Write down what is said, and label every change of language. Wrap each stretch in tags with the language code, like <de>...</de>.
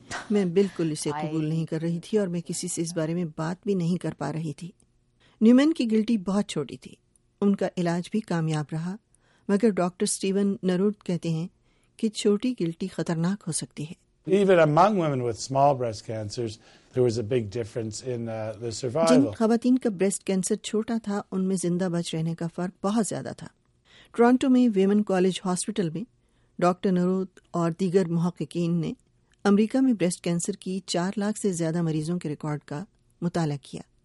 <ur>میں بالکل اسے قبول نہیں کر رہی تھی اور میں کسی سے اس بارے میں بات بھی نہیں کر پا رہی تھی۔ نیومین کی گلٹی بہت چھوٹی تھی، ان کا علاج بھی کامیاب رہا، مگر ڈاکٹر سٹیون نروڈ کہتے ہیں کہ چھوٹی گلٹی خطرناک ہو سکتی ہے۔</ur> <en>Even among women with small breast cancers, there was a big difference in the survival.</en> <ur>جن خواتین کا بریسٹ کینسر چھوٹا تھا ان میں زندہ بچ رہنے کا فرق بہت زیادہ تھا. ٹورانٹو میں ویمن کالج ہاسپٹل میں ڈاکٹر نروت اور دیگر محققین نے امریکہ میں بریسٹ کینسر کی 400,000 سے زیادہ مریضوں کے ریکارڈ کا مطالعہ کیا.</ur>